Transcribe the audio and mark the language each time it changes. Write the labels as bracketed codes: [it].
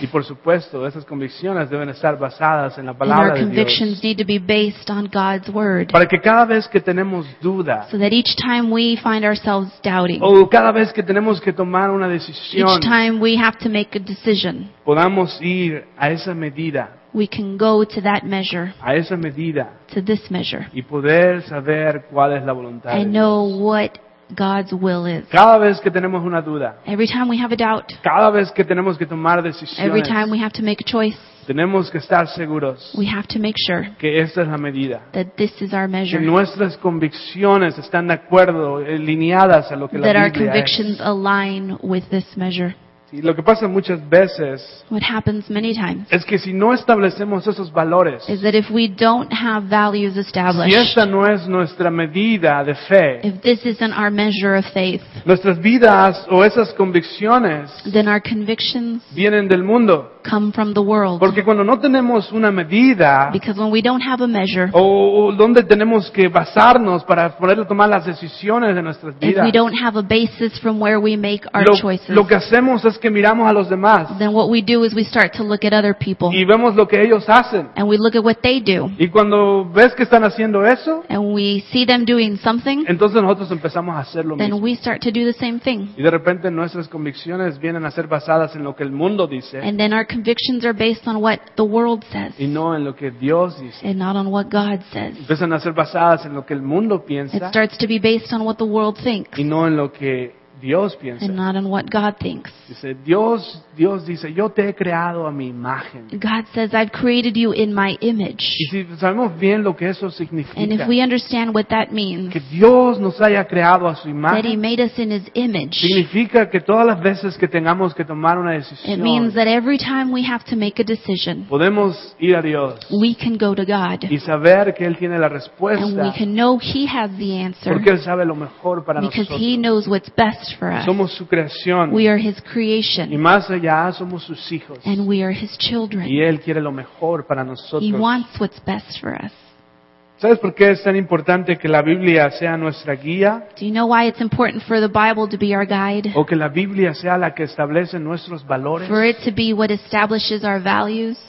[es] Y por supuesto, esas convicciones deben estar basadas en la palabra de Dios. [en] And our convictions need to be based on God's word. [es] Para que cada vez que tenemos duda, [en] so that each time we find ourselves doubting, [es] o cada vez que tenemos que tomar una decisión, [en] each time we have to make a decision, [es] podamos ir a esa medida, [en] we can go to that measure, [es] a esa medida, [en] to this measure, [es] y poder saber cuál es la voluntad de Dios. [en] And know what God's will is. [es] Cada vez que tenemos una duda, [en] every time we have a doubt, [es] cada vez que tenemos que tomar decisiones, [en] every time we have to make a choice, [es] tenemos que estar seguros, [en] we have to make sure, [es] que esta es la medida, [en] that this is our measure, [es] que nuestras convicciones están de acuerdo, alineadas a lo que la Biblia es, [en] that our convictions align with this measure. [es] Y lo que pasa muchas veces, [en] what happens many times, [es] es que si no establecemos esos valores, [en] is that if we don't have values established, [es] si esta no es nuestra medida de fe, [en] if this isn't our measure of faith, [es] nuestras vidas o esas convicciones, [en] then our convictions [es] vienen del mundo. [en] come from the world. [es] Porque cuando no tenemos una medida, [en] because when we don't have a measure, [es] o donde tenemos que basarnos para poder tomar las decisiones de nuestras vidas, [en] if we don't have a basis from where we make our choices, [es] lo que hacemos es que miramos a los demás, [en] then what we do is we start to look at other people, [es] y vemos lo que ellos hacen, [en] and we look at what they do, [es] y cuando ves que están haciendo eso, [en] and we see them doing something, [es] entonces nosotros empezamos a hacer lo [en] then [es] mismo, [en] then we start to do the same thing, [es] y de repente nuestras convicciones vienen a ser basadas en lo que el mundo dice, [en] and then our convictions are based on what the world says, [es] y no en lo que Dios dice, [en] and not on what God says, [es] empiezan a ser basadas en lo que el mundo piensa, [en] it starts to be based on what the world thinks, [es] y no en lo que Dios piensa, [en] and not on what God thinks. [es] Dice, Dios dice, yo te he creado a mi imagen. [en] God says, I've created you in my image. [es] Y si sabemos bien lo que eso significa, [en] and if we understand what that means, [es] que Dios nos haya creado a su imagen, [en] that he made us in his image, [es] significa que todas las veces que tengamos que tomar una decisión, [en] it means that every time we have to make a decision, [es] podemos ir a Dios, [en] we can go to God, [es] y saber que él tiene la respuesta, [en] and we can know he has the answer, [es] porque él sabe lo mejor para [en] because [es] nosotros, [en] because he knows what's best for us. [es] Somos su creación. [en] We are his creation. [es] Y más allá, somos sus hijos. [en] And we are his children. [es] Y él quiere lo mejor para nosotros. [en] He wants what's best for us. [es] ¿Sabes por qué es tan importante que la Biblia sea nuestra guía? [en] Do you know why it's important for the Bible to be our guide? [es] O que la Biblia sea la que establece nuestros valores? [en] For it to be what establishes our values?